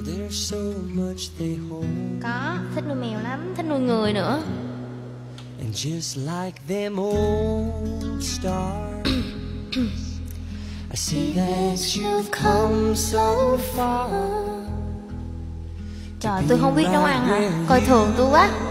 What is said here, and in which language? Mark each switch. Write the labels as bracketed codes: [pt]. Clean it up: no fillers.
[en] So much they hold. [vi] Có, thích nuôi mèo lắm, thích nuôi người nữa. [en] And just like them old stars, I see that you've come so far. [vi] Trời, tôi không biết nấu ăn hả? Coi thường tôi quá.